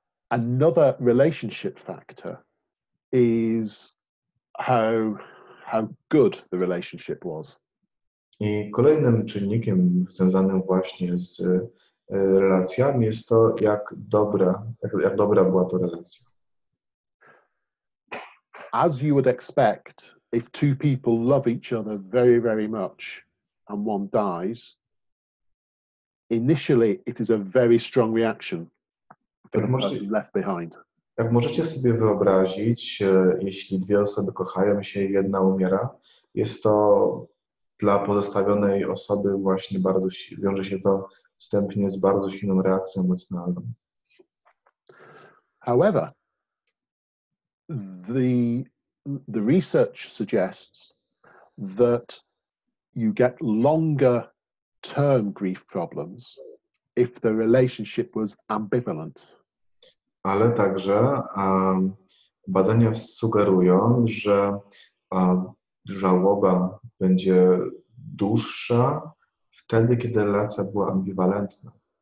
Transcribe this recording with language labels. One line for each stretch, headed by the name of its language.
English: Another relationship factor is how good the relationship was.
Polish: I kolejnym czynnikiem związanym właśnie z relacjami jest to, jak dobra była to relacja.
English: As you would expect, if two people love each other very, very much and one dies, initially it is a very strong reaction for the person left behind.
Polish: Jak możecie sobie wyobrazić, jeśli dwie osoby kochają się i jedna umiera, jest to dla pozostawionej osoby właśnie bardzo, wiąże się to wstępnie z bardzo silną reakcją emocjonalną.
English: However, the research suggests that you get longer term grief problems if the relationship was ambivalent.
Polish: Ale także badania sugerują, że żałoba będzie dłuższa wtedy, kiedy relacja była ambiwalentna.